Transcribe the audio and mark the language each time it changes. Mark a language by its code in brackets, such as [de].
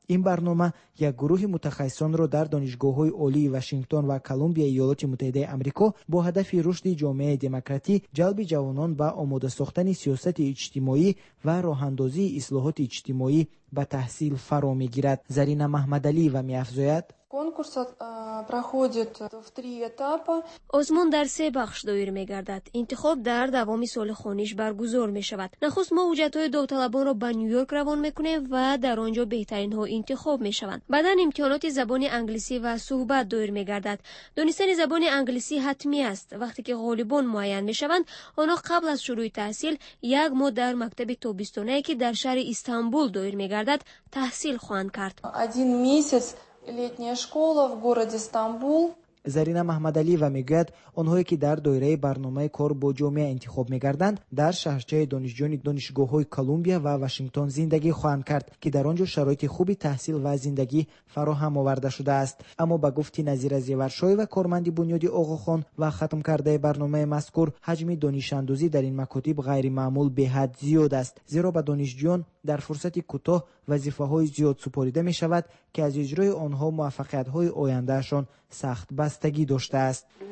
[fa] این برنامه یک گروه متخصصان را در دانشگاه های عالی واشنگتن و کلمبیا ایالات متحده آمریکا با هدف رشد جامعه دموکراتی، جلب جوانان به آماده ساختن سیاست اجتماعی و راه اندازی اصلاحات اجتماعی به تحصیل فرا میگیرد. زرینا محمدعلی و میافزاید [ru] конкурс проходит в 3 етапи. [tg] Озмон дар 3 бахш доир мегардад. Интихоб дар давоми соли хониш баргузор мешавад. Нахуст мо ҳуҷҷатҳои довталабонро ба Нью-Йорк равон мекунем ва дар онҷо беҳтаринҳо интихоб мешаванд. Баъдан имтиҳоноти забони англисӣ ва суҳбат доир мегардад. Донистани забони англисӣ ҳатмӣ аст. Вақте ки ғолибон муайян мешаванд, онҳо қабл аз шурӯи таҳсил 1 моҳ дар мактаби тобистонае ки дар шаҳри Истанбул доир мегардад, таҳсил хоҳанд кард. [ru] 1 месяц летняя школа в городе Стамбул. [tg] Зарина Махмадалиева мегӯяд, онҳое ки дар доираи барномаи кор бо ҷомеа интихоб мегарданд, дар шаҳрчаи донишҷӯёни донишгоҳҳои Колумбия ва Вашингтон зиндагӣ хоҳанд кард, ки дар онҷо шароити хуби таҳсил ва зиндагӣ фароҳам оварда шудааст. Аммо ба гуфти Назира Зеваршоева, корманди бунёди Оғохон ва хатм кардаи барномаи мазкур, ҳаҷми донишандӯзӣ дар ин макотиб ғайримаъмул беҳад зиёд аст, зеро ба донишҷӯён дар фурсати кӯтоҳ вазифаҳои зиёд супорида мешавад, ки аз иҷрои онҳо муваффақиятҳои ояндаашон сахт бастагӣ дошта аст.